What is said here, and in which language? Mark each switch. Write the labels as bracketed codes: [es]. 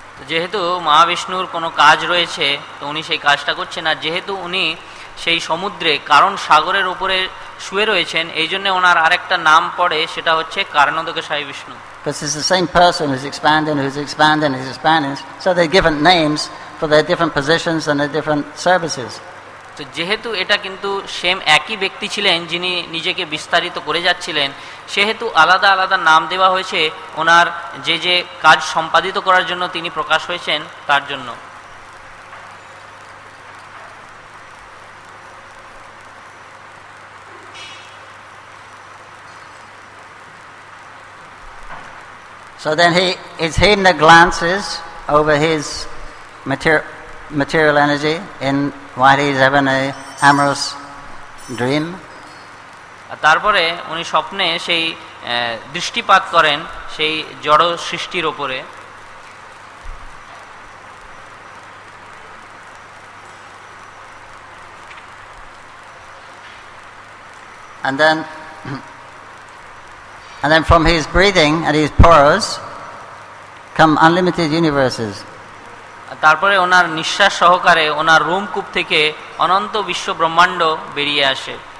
[bn] যেহেতু মহাবিষ্ণুর কোনো কাজ রয়েছে তো উনি সেই কাজটা করছেন, আর যেহেতু উনি সেই সমুদ্রে কারণ সাগরের উপরে শুয়ে রয়েছেন এই জন্য ওনার আরেকটা নাম পড়ে, সেটা হচ্ছে কারণদকে সাই Vishnu. [en] Because it's the same person who's expanding, who's expanding, who's expanding. So they're given names for their different positions and their different services. [bn] তো যেহেতু এটা কিন্তু সেম একই ব্যক্তি ছিলেন যিনি নিজেকে বিস্তারিত করে যাচ্ছিলেন, সেহেতু আলাদা আলাদা নাম দেওয়া হয়েছে ওনার যে যে কাজ সম্পাদিত করার জন্য তিনি প্রকাশ হয়েছেন তার জন্য। [en] So then he is hitting the glances over his material energy in while he's having a amorous dream. [bn] তারপরে উনি স্বপ্নে সেই দৃষ্টিপাত করেন সেই জড় সৃষ্টির উপরে। [en] And then from his breathing and his pores come unlimited universes. [bn] তারপরে ওনার নিঃশ্বাস সহকারে ওনার রোমকূপ থেকে অনন্ত বিশ্ব ব্রহ্মাণ্ড বেরিয়ে আসে।